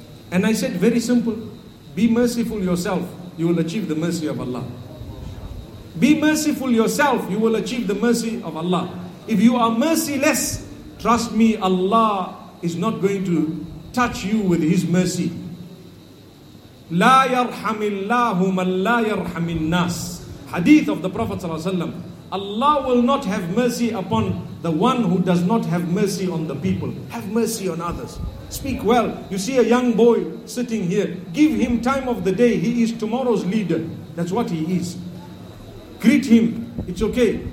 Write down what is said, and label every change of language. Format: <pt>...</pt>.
<en>And I said, very simple, be merciful yourself, you will achieve the mercy of Allah. Be merciful yourself, you will achieve the mercy of Allah. If you are merciless, trust me, Allah is not going to touch you with His mercy.</en> <ar>لا يرحم الله من لا يرحم الناس.</ar> <en>Hadith of the Prophet ﷺ. Allah will not have mercy upon the one who does not have mercy on the people. Have mercy on others. Speak well. You see a young boy sitting here. Give him time of the day. He is tomorrow's leader. That's what he is. Greet him. It's okay.</en>